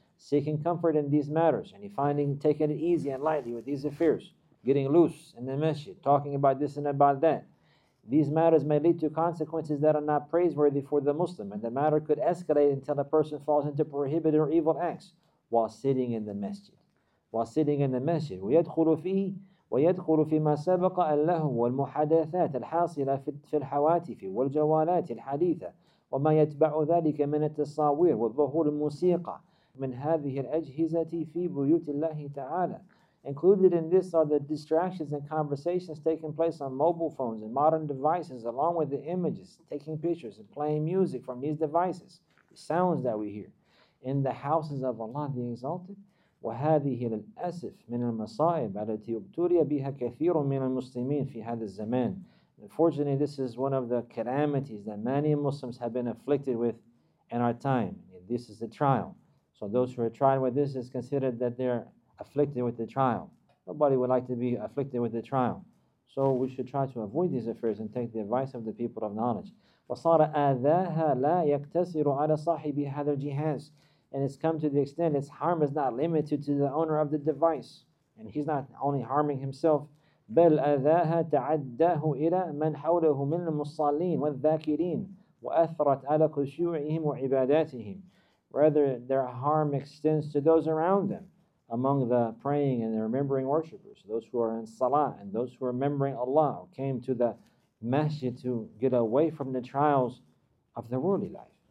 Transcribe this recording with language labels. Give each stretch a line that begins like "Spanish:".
English: Seeking comfort in these matters, and finding taking it easy and lightly with these affairs, getting loose in the masjid, talking about this and about that, these matters may lead to consequences that are not praiseworthy for the Muslim, and the matter could escalate until a person falls into prohibited or evil acts while sitting in the masjid. While sitting in the masjid,
Arabic: ويدخل فيما سبق اللهو والمحادثات الحاصلة في الحواتف والجوالات الحديثة وما يتبع ذلك من التصاوير وظهور الموسيقى من هذه الأجهزة في بيوت الله تعالى.
English: Included in this are the distractions and conversations taking place on mobile phones and modern devices, along with the images, taking pictures and playing music from these devices, the sounds that we hear, in the houses of Allah the Exalted.
Arabic: وهذه للأسف من المصائب التي ابتلي بها كثير من المسلمين في هذا الزمان.
English: Unfortunately, this is one of the calamities that many Muslims have been afflicted with in our time. This is the trial. So those who are tried with this is considered that they're afflicted with the trial. Nobody would like to be afflicted with the trial. So we should try to avoid these affairs and take the advice of the people of knowledge.
Arabic: وصار آذاها لا يقتصر على صاحب هذا الجهاز.
English: And it's come to the extent its harm is not limited to the owner of the device. And he's not only harming himself.
Arabic: بَلْ أَذَاهَا تَعَدَّاهُ إِلَىٰ مَنْ حَوْلَهُ مِنْ الْمُصَّلِينَ وَالذَّاكِرِينَ وَأَثْرَتْ عَلَىٰ كُشُوعِهِمْ وَعِبَادَاتِهِمْ.
English: Rather, their harm extends to those around them, among the praying and the remembering worshippers, those who are in salah and those who are remembering Allah, came to the masjid to get away from the trials of the worldly life.